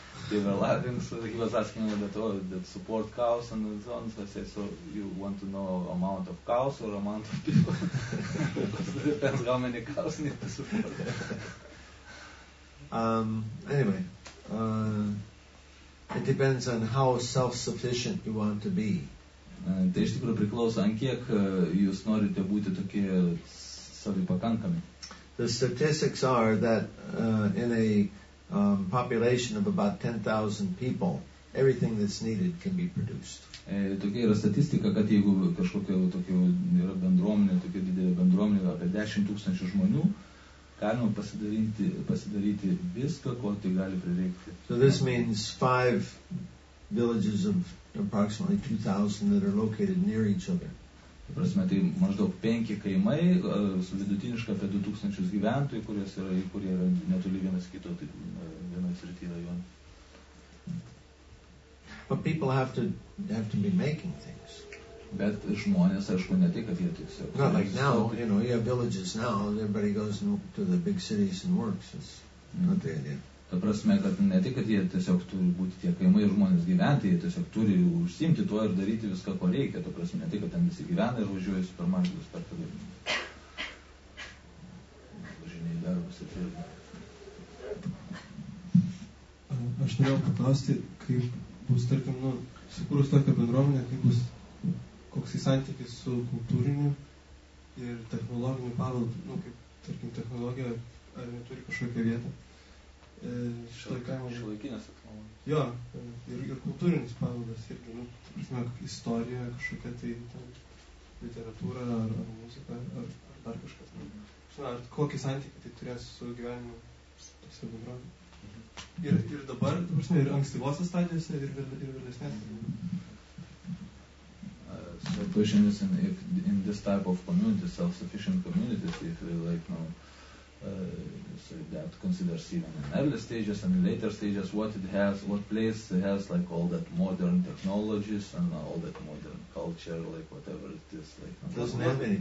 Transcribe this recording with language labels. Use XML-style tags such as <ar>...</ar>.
<en>They were laughing, so he was asking that, oh, that support cows and so on. So I said, so you want to know amount of cows or amount of people? Because it depends how many cows need to support. Anyway, it depends on how self-sufficient you want to be.</en> <lt>Tai iš tikrųjų priklauso, an kiek jūs norite būti tokie savipakankami.</lt> <en>The statistics are that in a population of about 10,000 people, everything that's needed can be produced.</en> <lt>Tokia yra statistika, kad jeigu kažkokia yra bendruomenė, tokia didelė bendruomenė, apie 10,000 žmonių, galima pasidaryti viską, ko tai gali prireikti.</lt> <en>So this means 5 villages of approximately 2,000 that are located near each other.</en> <lt>Tai prasme, tai maždaug 5 kaimai su vidutiniška apie 2,000 gyventojų, kurie yra netoli vienas kito, tai vienoje srityje rajone.</lt> <en>But people have to be making things.</en> <lt>Bet žmonės, aišku, ne tik, kad jie tiesiog...</lt> <en>Not like now, you know, you have villages now, and everybody goes to the big cities and works. It's not the idea.</en> <lt>Ta prasme, kad ne tik, kad jie tiesiog turi būti tie kaimai ir žmonės gyventi, jie tiesiog turi užsiimti tuo ir daryti viską, ko reikia. Ta prasme, ne tik, kad ten visi gyvena ir važiuoja į supermarketus per tą dalyką. Važinėjai darbus ir tai. Aš norėjau paklausti, kaip bus, tarkim, nu, sukūrus tokią bendruomenę, kaip bus, koks į santykį su kultūriniu ir technologiniu paveldu, nu, kaip, tarkim, technologija, ar neturi kažkokią vietą. Šiuolaikinės atmanomis. Jo, ir kultūrinis paveldas irgi, nu, prasme, istorija kažkokia, tai ten, literatūra ar muzika, ar dar kažkas. Žinau, ar kokį santykį tai turės su gyvenimu tose bendrovėse. Ir dabar, prasme, ir ankstyvose stadijose, ir vėlesnės.</lt> <en>So the question is, if in this type of community, self-sufficient communities, if we like, no, so that considers even in early stages and in later stages, what it has, what place it has, like all that modern technologies and all that modern culture, like whatever it is, like</en>